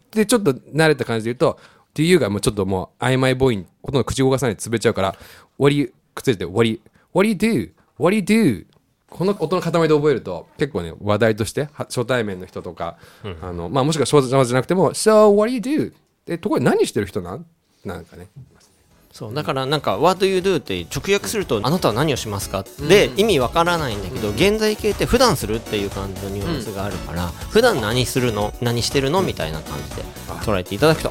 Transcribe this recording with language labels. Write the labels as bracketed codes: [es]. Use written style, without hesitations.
[ja] でちょっと慣れた感じで言うと Do you がもうちょっともう曖昧ボイン、ほとんど口動かさないで潰れちゃうから [en] What do you? [ja] くっついて [en] What do you do? [ja] この音の塊で覚えると結構ね話題として初対面の人とか、うん、あのまあ、もしくは初対面じゃなくても [en] So what do you do? [ja] でところで何してる人なん？なんかね、そうだからなんか、うん、 [en] What do you do? [ja] って直訳すると、うん、あなたは何をしますか、うん、で意味わからないんだけど、うん、現在形って普段するっていう感じのニュアンスがあるから、うん、普段何するの何してるの、うん、みたいな感じで捉えていただくと